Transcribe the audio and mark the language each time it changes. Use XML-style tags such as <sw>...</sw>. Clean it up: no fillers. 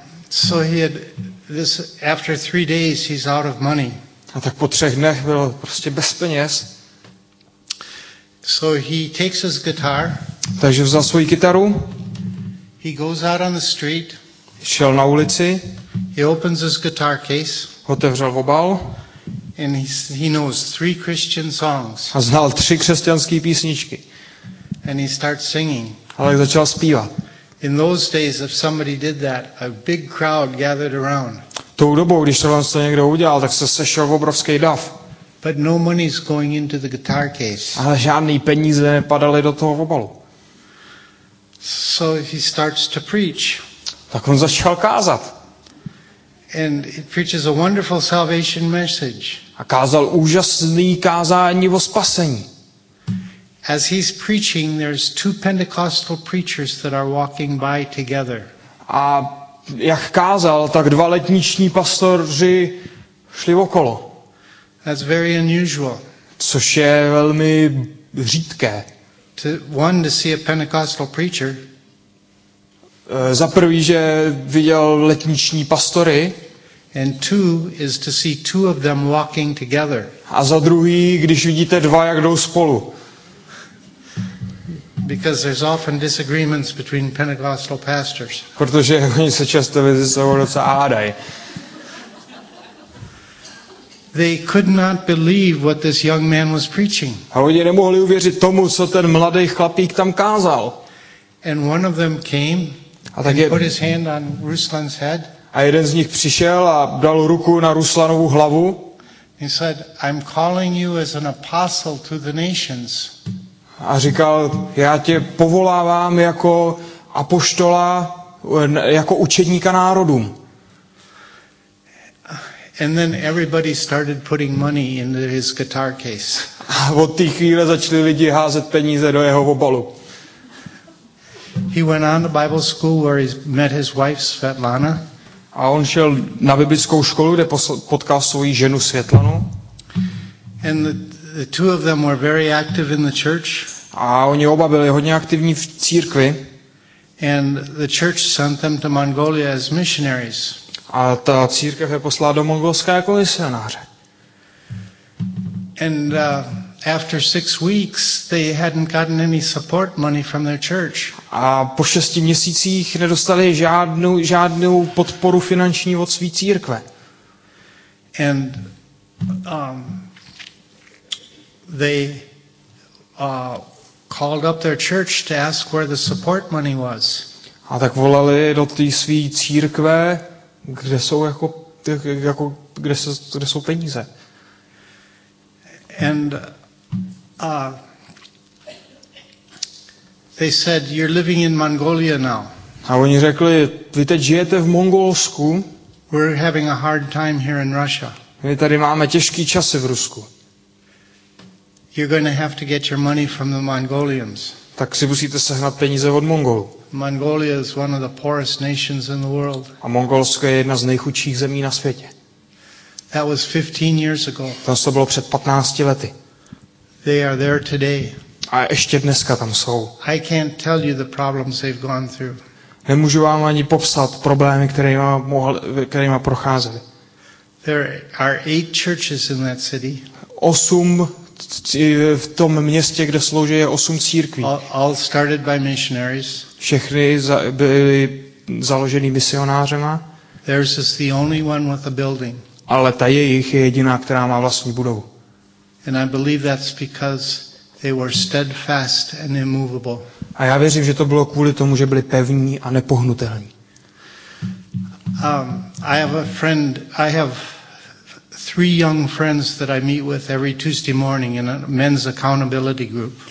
<en>So he had this after 3 days he's out of money.</en> <cs>A tak po třech dnech byl prostě bez peněz.</cs> <en>So he takes his guitar.</en> <cs>Takže vzal svou kytaru.</cs> <en>He goes out on the street.</en> <cs>Šel na ulici.</cs> <en>He opens his guitar case.</en> <cs>Otevřel obal.</cs> <en>And he knows three Christian songs.</en> <cs>A znal tři křesťanské písničky.</cs> <en>And he starts singing.</en> <cs>Ale začal zpívat.</cs> <en>In those days if somebody did that, a big crowd gathered around.</en> <cs>Tou dobou, když tohle se někdo udělal, tak se sešel obrovský dav.</cs> <en>But no money's going into the guitar case.</en> <cs>Ale žádný peníze nepadaly do toho obalu.</cs> <en>So he starts to preach.</en> <cs>Tak on začal kázat.</cs> <en>And he preaches a wonderful salvation message.</en> <cs>A kázal úžasný kázání o spasení.</cs> <en>As he's preaching, there's two Pentecostal preachers that are walking by together.</en> <cs>A jak kázal, tak dva letniční pastoři šli okolo.</cs> <en>That's very unusual.</en> <cs>Což je velmi řídké.</cs> <en>To see a Pentecostal preacher.</en> <cs>Za prvý, že viděl letniční pastory.</cs> <en>And two is to see two of them walking together.</en> <cs>A za druhý, když vidíte dva, jak jdou spolu.</cs> <en>Because there's often disagreements between Pentecostal pastors.</en> <cs>Protože oni se často mezi sebou docela hádají.</cs> <en>They could not believe what this young man was preaching.</en> <cs>A oni nemohli uvěřit tomu, co ten mladý chlapík tam kázal.</cs> <en>And one of them came.</en> <cs>A tak</cs> <en>put his hand on Ruslan's head.</en> <cs>A jeden z nich přišel a dal ruku na Ruslanovu hlavu.</cs> <en>He said, "I'm calling you as an apostle to the nations."</en> <cs>A říkal, já tě povolávám jako apoštola, jako učedníka národům.</cs> <en>And then everybody started putting money into his guitar case.</en> <cs>A od té chvíle začali lidi házet peníze do jeho obalu.</cs> <en>He went on to Bible school where he met his wife Svetlana.</en> <cs>A on šel na biblickou školu, kde potkal svoji ženu Světlanu.</cs> <en>And the two of them were very active in the church.</en> <cs>A oni oba byli hodně aktivní v církvi.</cs> <en>And the church sent them to Mongolia as missionaries.</en> <cs>A ta církev je poslala do Mongolska jako misionáře.</cs> <en>And after 6 weeks they hadn't gotten any support money from their church.</en> <cs>A po 6 měsících nedostali žádnou podporu finanční od své církve.</cs> <en>And they called up their church to ask where the support money was.</en> <cs>A tak volali do té své církve, kde jsou jako kde jsou peníze.</cs> <en>And they said, "You're living in Mongolia now."</en> <cs>A oni řekli, vy teď žijete v Mongolsku.</cs> <en>We're having a hard time here in Russia.</en> <cs>My tady máme těžký časy v Rusku.</cs> <en>You're going to have to get your money from the Mongolians.</en> <cs>Tak si musíte sehnat peníze od Mongolů.</cs> <en>Mongolia is one of the poorest nations in the world.</en> <cs>A Mongolsko je jedna z nejchudších zemí na světě.</cs> <en>That was 15 years ago.</en> <cs>To bylo před 15 lety.</cs> <en>They are there today.</en> <cs>A ještě dneska tam jsou.</cs> <en>I can't tell you the problems they've gone through.</en> <cs>Nemůžu vám ani popsat problémy, kterýma procházeli.</cs> <en>There are 8 churches in that city.</en> <cs>8 v tom městě, kde slouží, je 8 církví.</cs> <en>All started by missionaries.</en> <cs>Všechny byly založeny misionářema.</cs> <en>There's just the only one with a building.</en> <cs>Ale ta jejich je jediná, která má vlastní budovu.</cs> <en>And I believe that's because they were steadfast and immovable.</en> <cs>A já věřím, že to bylo kvůli tomu, že byli pevní a nepohnutelní.</cs> <en>I have 3 young friends that I meet with every Tuesday morning in a men's accountability group.</en>